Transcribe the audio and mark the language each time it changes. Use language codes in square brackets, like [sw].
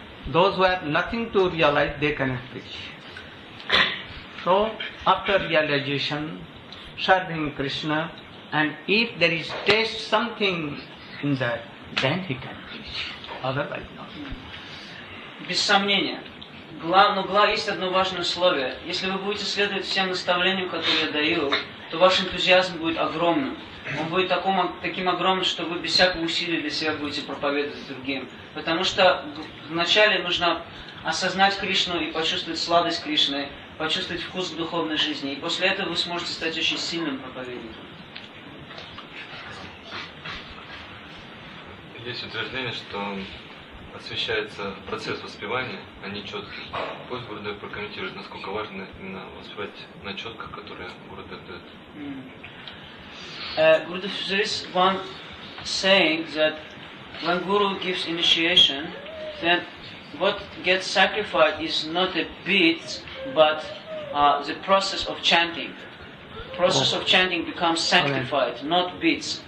[en] Those who have nothing to realize, they cannot preach. So, after realization, serving Krishna, and if there is taste something in that, then he can preach. Otherwise, not. [ru] Без сомнения. Есть одно важное условие. Если вы будете следовать всем наставлениям, которые я даю, то ваш энтузиазм будет огромным. Он будет таким огромным, что вы без всякого усилия для себя будете проповедовать другим. Потому что вначале нужно осознать Кришну и почувствовать сладость Кришны, почувствовать вкус к духовной жизни. И после этого вы сможете стать очень сильным проповедником. Есть утверждение, что освещается процесс воспевания, а не четко. Пусть Гурудев прокомментирует, насколько важно именно воспевать на четках, которые Гурудев дает. [en] Gurudev, there is one saying that when Guru gives initiation, then what gets sacrificed is not a beat, but the process of chanting. Process of chanting becomes sanctified, sorry. Not beats.